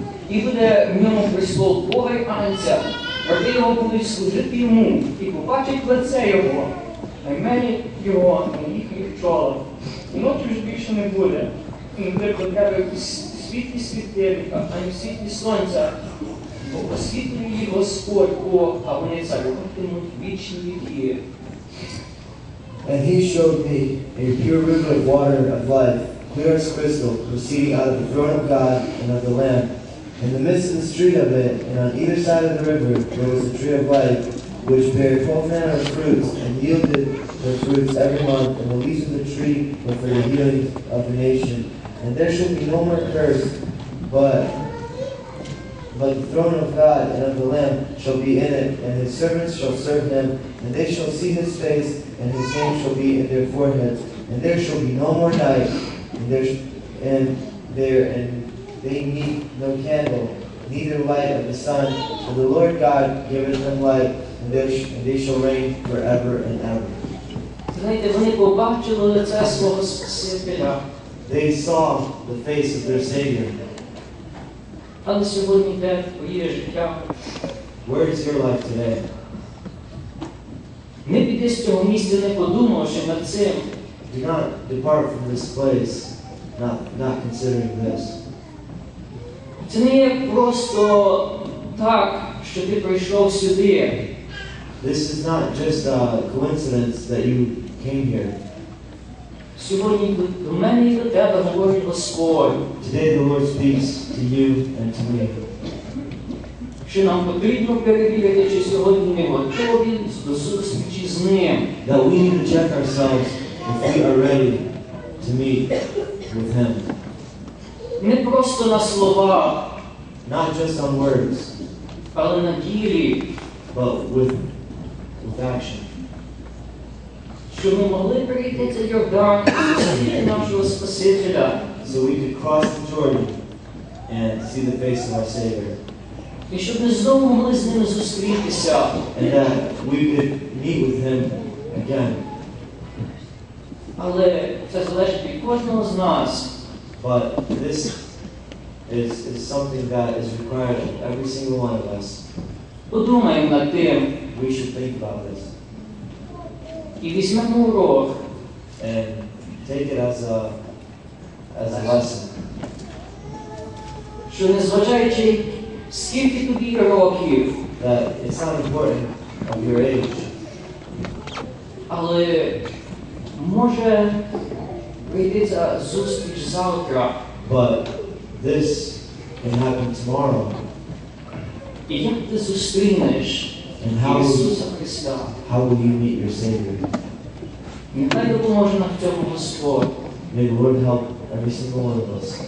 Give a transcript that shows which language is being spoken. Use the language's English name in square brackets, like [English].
[Ukrainian] І буде в ньому престол Бога і Анця. Роди його будуть служити йому і побачать лице його, на імені його, на їхніх чолах. Ночі ж більше не буде. Не буде потреби світлі світильника, ані світлі сонця. Бо освітлює Господь Бог, а вони царюватимуть вічні віки. [English] And he showed me a pure river of water of life, clear as crystal, proceeding out of the throne of God and of the Lamb. In the midst of the street of it, and on either side of the river, there was a tree of life, which bare 12 manner of fruits, and yielded the fruits every month, and the leaves of the tree were for the healing of the nation. And there should be no more curse, but the throne of God and of the Lamb shall be in it, and his servants shall serve him, and they shall see his face, and his name shall be in their foreheads, and there shall be no more night, they need no candle, neither light of the sun, for the Lord God giveth them light, and they shall reign forever and ever. [Ukrainian] Знаєте, вони побачили лице свого Спасителя. [English] They saw the face of their Savior. [Ukrainian] Але сьогодні де твоє життя? [English] Where is your life today? [Ukrainian] Не піди з цього місця, не подумавши над цим. [English] Do not depart from this place, not considering this. [Ukrainian] Це не є просто так, що ти прийшов сюди. [English] This is not just a coincidence that you came here. [Ukrainian] Сьогодні до мене і до тебе говорить Господь. [English] Today the Lord speaks to you and to me. [Ukrainian] Що нам потрібно перевірити, чи сьогодні ми готові до зустрічі з ним. [English] That we need to check ourselves if we are ready to meet with him. [Ukrainian] Не просто на словах. [English] Not just on words. [Ukrainian] Але на ділі. [English] But with action. [Ukrainian] Що ми могли перейти цей Йордан і зустріти нашого Спасителя. [English] So we could cross the Jordan and see the face of our Savior. [Ukrainian] І щоб ми знову могли з ним зустрітися. [English] And that we could meet with him again. [Ukrainian] Але це залежить від кожного з нас. [English] But this is something that is required of every single one of us. [Ukrainian] Подумаємо над тим. [English] We should think about this. [Ukrainian] І візьмемо урок. [English] And take it as a lesson. [Ukrainian] Що незважаючи, скільки тобі років. [English] That it's not important of your age. [Ukrainian] Але може прийти ця зустріч завтра. [English] But this can happen tomorrow. [Ukrainian] І як ти зустрінеш Ісуса Христа? [English] How will you meet your Savior? [Ukrainian] Нехай допоможе нам в цьому Господь. [English] May the Lord help every single one of us.